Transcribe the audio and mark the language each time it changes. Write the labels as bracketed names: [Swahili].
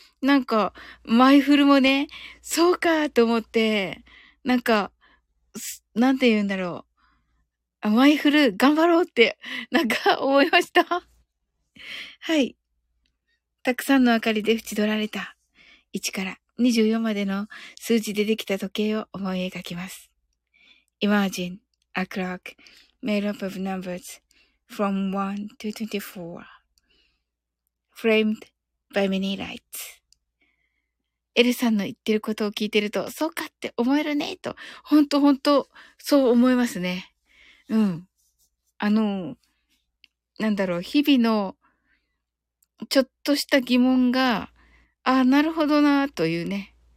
[Japanese] なんか、マイフルもね、そうかと思って、なんか、なんて言うんだろう。マイフル、頑張ろうって、なんか、思いました。はい。たくさんの明かりで縁取られた、1から24までの数字でできた時計を思い描きます。 [English] Imagine a clock made up of numbers. From 1 to 24, framed by many lights. [Japanese] エルさんの言ってることを聞いてると、そうかって思えるね、と。本当、そう思いますね。うん。なんだろう、日々の、ちょっとした疑問が、ああ、なるほどな、というね。